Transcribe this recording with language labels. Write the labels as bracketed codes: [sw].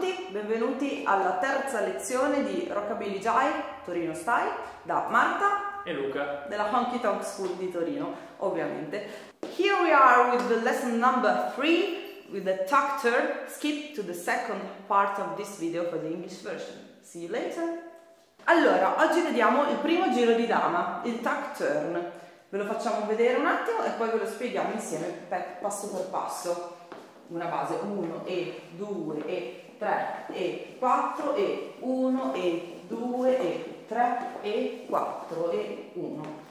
[it] benvenuti alla terza lezione di Rockabilly Jive Torino Style da Marta e Luca della Honky Tonk School di Torino, ovviamente. [en] Here we are with the lesson number 3 with the tactor. Skip to the second part of this video for the English version. See you later. [it] Allora, oggi vediamo il primo giro di dama, il tuck turn. Ve lo facciamo vedere un attimo e poi ve lo spieghiamo insieme passo per passo. Una base, 1 e 2 e 3 e 4 e 1 e 2 e 3 e 4 e 1.